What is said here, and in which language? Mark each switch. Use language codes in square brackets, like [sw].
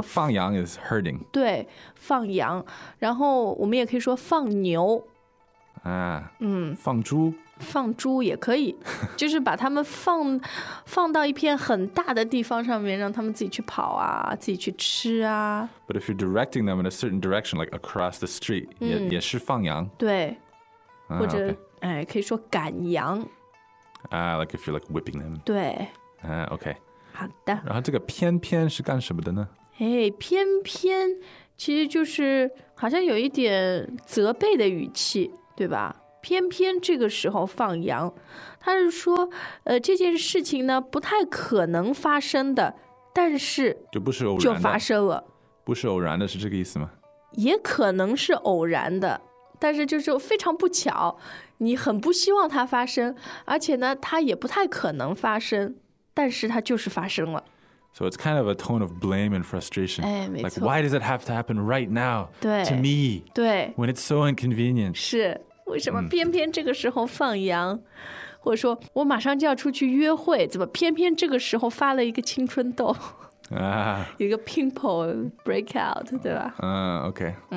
[en] so、放羊 is herding. [zh] 对，放羊，然后我们也可以说放牛。放猪。放猪也可以，就是把他们放到一片很大的地方上面，让他们自己去跑啊，自己去吃啊。 [en] But if you're directing them in a certain direction, like across the street, [zh] 也是放羊。对，或者、 [en] okay. [zh] 哎，可以说赶羊。 [en] Like if you're like whipping them. [zh] 对。 [en] Okay. [zh] 好的。然后这个偏偏是干什么的呢？偏偏其实就是好像有一点责备的语气，对吧？偏偏这个时候放羊，他是说，这件事情呢不太可能发生的，但是就不是偶然的就发生了，不是偶然的，是这个意思吗？也可能是偶然的，但是就是非常不巧。你很不希望它发生，而且呢，它也不太可能发生，但是它就是发生了。 [en] So it's kind of a tone of blame and frustration. [zh] 哎，没错。 [en] Like, why does it have to happen right now? [zh] 对。 [en] To me? [zh] 对。 [en] When it's so inconvenient. [zh] 是，为什么偏偏这个时候放羊？或者说，我马上就要出去约会，怎么偏偏这个时候发了一个青春痘？一个 [en] pimple breakout, [zh] 对吧？ [en] Okay.